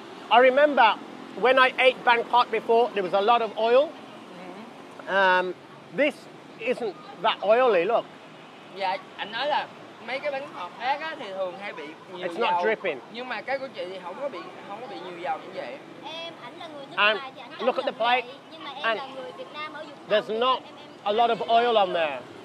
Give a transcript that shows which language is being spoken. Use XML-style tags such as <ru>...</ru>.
<en>I remember when I ate banh khot before, there was a lot of oil. This isn't that oily, look.</en> <vi>Yeah, anh nói là mấy cái bánh khot khác á thì thường hay bị nhiều dầu.</vi> <en>It's not dripping.</en> <vi>Nhưng mà cái của chị thì không có bị nhiều dầu như vậy. Em ảnh là người nước ngoài thì</vi> <en>look at the plate.</en> <vi>Nhưng mà em là người Việt Nam ở Vũng Tàu.</vi> <en>There's not a lot of oil on there.</en>